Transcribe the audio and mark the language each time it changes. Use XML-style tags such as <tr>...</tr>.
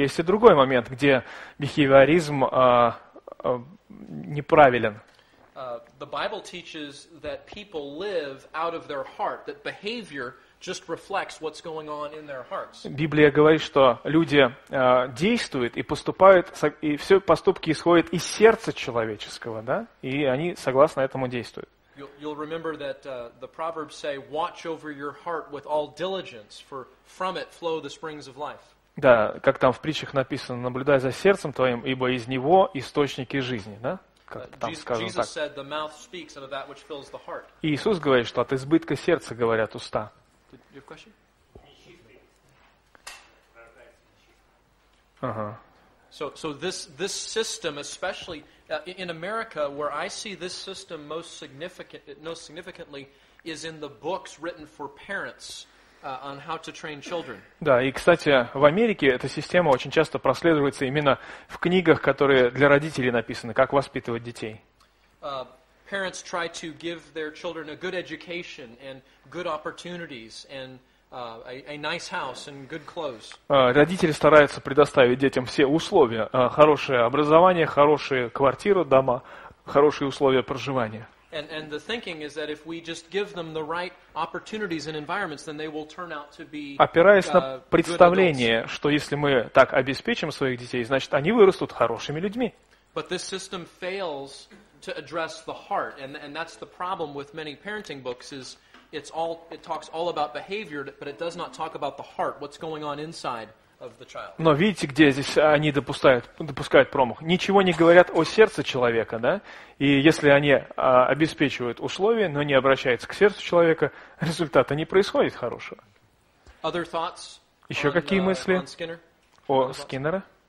<ru>Есть и другой момент, где бихевиоризм неправилен.</ru> <en>The Bible teaches that people live out of their heart, that behavior just reflects what's going on in their hearts.</en> <ru>Библия говорит, что люди действуют и поступают, и все поступки исходят из сердца человеческого, да? И они согласно этому действуют.</ru> <en>You'll remember that the Proverbs say, "Watch over your heart with all diligence, for from it flow the springs of life."</en> <ru>Да, как там в притчах написано: "Наблюдай за сердцем твоим, ибо из него источники жизни", да? Иисус говорит, что от избытка сердца говорят уста. Ага.</ru> <en>So this system, especially in America, where I see this system most significantly, is in the books written for parents on how to train children.</en> <ru>Да, и кстати, в Америке эта система очень часто прослеживается именно в книгах, которые для родителей написаны, как воспитывать детей.</ru> <en>Parents try to give their children a good education and good opportunities and a nice house and good clothes.</en> <ru>Родители стараются предоставить детям все условия: хорошее образование, хорошие квартиры, дома, хорошие условия проживания.</ru> <en>And the thinking is that if we just give them the right opportunities and environments, then they will turn out to be good adults.</en> <ru>Опираясь на представление, что если мы так обеспечим своих детей, значит, они вырастут хорошими людьми.</ru> <en>But this system fails to address the heart, and that's the problem with many parenting books. Is it's all it talks all about behavior, but it does not talk about the heart. What's going on inside of the child?</en> <ru>Но видите, где здесь они допускают промах? Ничего не говорят о сердце человека, да? И если они обеспечивают условия, но не обращаются к сердцу человека, результата не происходит хорошего.</ru> <en>Other thoughts?</en> <ru>Еще какие мысли о Скиннере?</ru>